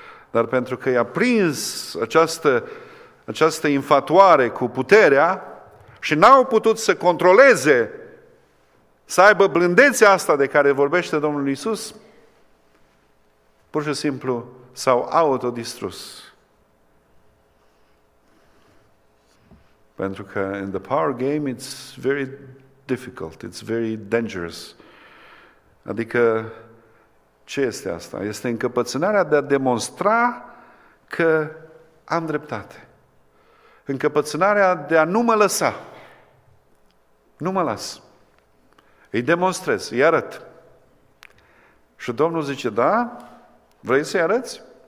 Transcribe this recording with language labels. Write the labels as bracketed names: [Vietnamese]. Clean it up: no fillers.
[Romanian] Dar pentru că i-a prins această infatuare cu puterea și n-au putut să controleze, să aibă blândețea asta de care vorbește Domnul Iisus, pur și simplu s-au autodistrus. Pentru că [English] in the power game it's very difficult, it's very dangerous. [Romanian] Adică, ce este asta? Este încăpățânarea de a demonstra că am dreptate. Încăpățânarea de a nu mă lăsa. Nu mă las. Îi demonstrez, îi arăt. Și Domnul zice, da, vrei să-i arăți?